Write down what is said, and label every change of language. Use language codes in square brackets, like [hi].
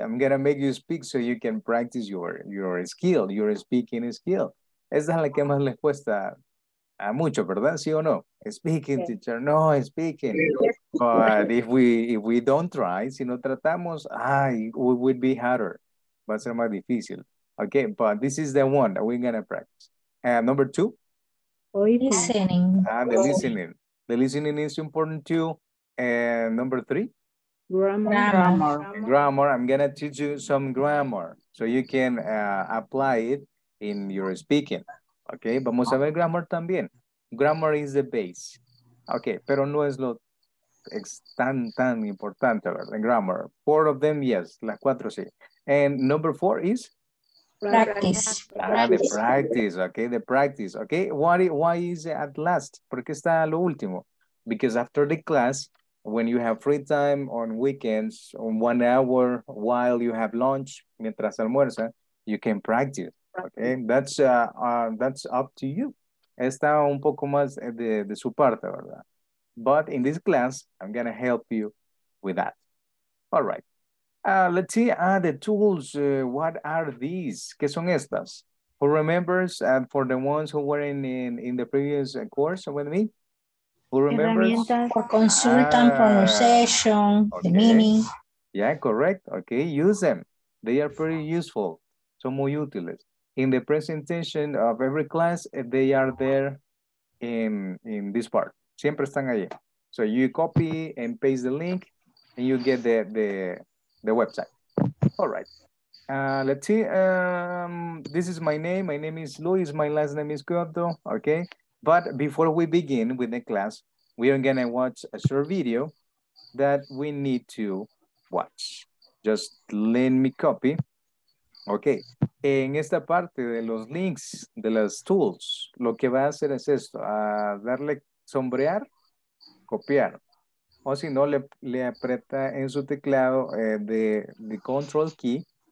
[en] I'm gonna make you speak so you can practice your skill, your speaking skill. [es] Esa es la que más le cuesta a mucho, ¿verdad? ¿Sí o no? [en] Speaking, teacher, no, speaking. But if we don't try, [es] si no tratamos, [en] it would be harder. [es] Va a ser más difícil. [en] Okay, but this is the one that we're gonna practice. And number two? Listening. The listening. The listening is important too. And number three? Grammar. I'm going to teach you some grammar so you can apply it in your speaking. Okay, [es] vamos a ver grammar también. [en] Grammar is the base. [es] Okay, pero no es lo tan importante, ¿verdad? [en] Grammar. Four of them, yes. [es] Las cuatro, sí. [en] And number four is? Practice. The practice, okay? The practice, okay? Why is it at last? [es] ¿Por qué está lo último? [en] Because after the class, when you have free time on weekends, 1 hour while you have lunch, [es] mientras almuerza, [en] you can practice, okay? That's up to you. [es] Está un poco más de su parte, ¿verdad? [en] But in this class, I'm going to help you with that. All right. Let's see, the tools, what are these? [es] ¿Qué son estas? [en] Who remembers, and for the ones who were in the previous course with me? Who remembers? For consult and pronunciation, okay. The meaning. Yeah, correct. Okay, use them. They are pretty useful. [es] Son muy útiles. [en] In the presentation of every class, they are there in this part. [es] Siempre están allí. [en] So you copy and paste the link, and you get the website. All right. Let's see. This is my name. My name is Luis. My last name is Cotto. Okay. But before we begin with the class, we are going to watch a short video that we need to watch. Just let me copy. Okay. [es] En esta parte de los links, de las tools, lo que va a hacer es esto. Darle sombrear, copiar. O si no, le aprieta en su teclado de control key.